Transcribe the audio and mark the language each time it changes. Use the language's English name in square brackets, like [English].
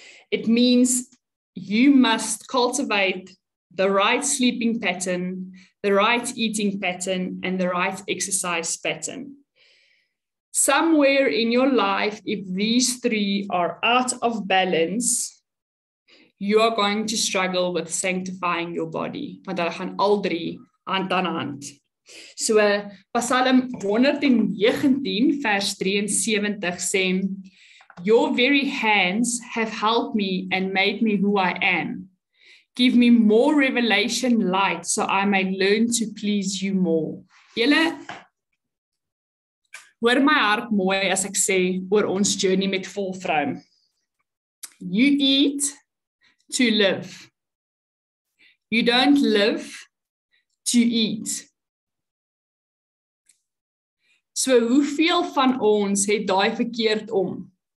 [English] It means you must cultivate the right sleeping pattern, the right eating pattern, and the right exercise pattern. Somewhere in your life, if these three are out of balance, you are going to struggle with sanctifying your body. [Afrikaans] Want hulle gaan al drie hand aan hand. [English] So, Psalm 119, [Afrikaans] vers 73 sê, [English] your very hands have helped me and made me who I am. Give me more revelation light so I may learn to please you more. [Afrikaans] Julle, hoor my hart mooi as ek sê oor ons journey met vol vrou. [English] You eat to live. You don't live to eat. [Afrikaans] So hoeveel van ons het daai verkeerd om?